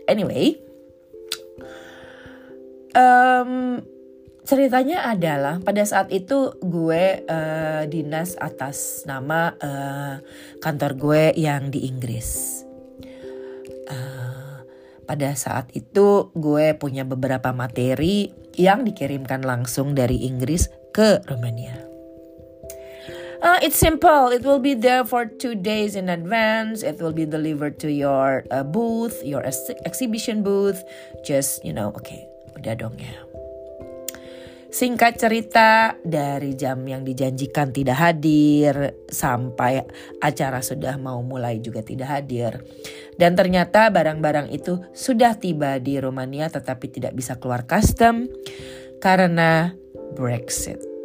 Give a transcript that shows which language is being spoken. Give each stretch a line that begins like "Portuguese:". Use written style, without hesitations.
Indonesian: Anyway, ceritanya adalah pada saat itu gue dinas atas nama kantor gue yang di Inggris. Pada saat itu gue punya beberapa materi yang dikirimkan langsung dari Inggris ke Romania.
English: It's simple. It will be there for 2 days in advance. It will be delivered to your booth, your exhibition booth. Just, you know, okay,
Indonesian: udah dong ya. Singkat cerita, dari jam yang dijanjikan tidak hadir sampai acara sudah mau mulai juga tidak hadir. Dan ternyata barang-barang itu sudah tiba di Romania tetapi tidak bisa keluar custom karena Brexit.